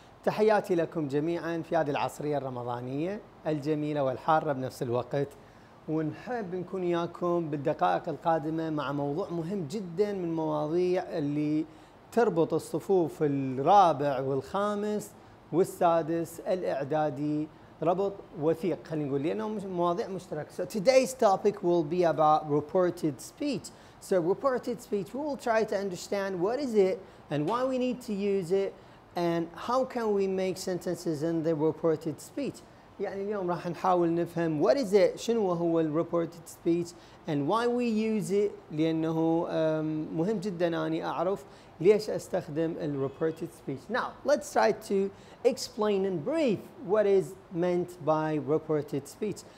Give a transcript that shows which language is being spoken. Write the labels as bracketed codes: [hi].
[ar] تحياتي لكم جميعا في هذه العصرية الرمضانية الجميلة والحارة بنفس الوقت، ونحب نكون ياكم بالدقائق القادمة مع موضوع مهم جدا من المواضيع اللي تربط الصفوف الرابع والخامس والسادس الإعدادي ربط وثيق، خلينا نقول لأنه مواضيع مشتركة. [en] So today's topic will be about reported speech. So reported speech, we'll try to understand what is it and why we need to use it and how can we make sentences in the reported speech. [ar] يعني اليوم راح نحاول نفهم [en] what is it, [ar] شنو هو ال reported speech [en] and why we use it، [ar] لأنه مهم جدا أني أعرف ليش أستخدم ال reported speech. [en] Now let's try to explain in brief what is meant by reported speech.